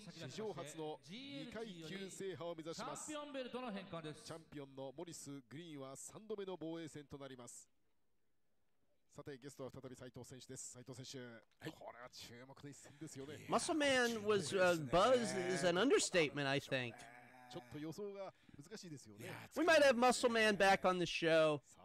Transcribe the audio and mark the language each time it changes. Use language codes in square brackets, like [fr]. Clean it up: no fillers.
[en] Champion Morris Green is the 3rd time in the championship. [ja] さてゲストは再び斉藤選手です。斉藤選手、はい、これは注目の一戦ですよね。 [en] マッスルマン was buzz is an understatement I think。 [ja] ちょっと予想が難しいですよね。 [en] We might have Muscle Man back on the show。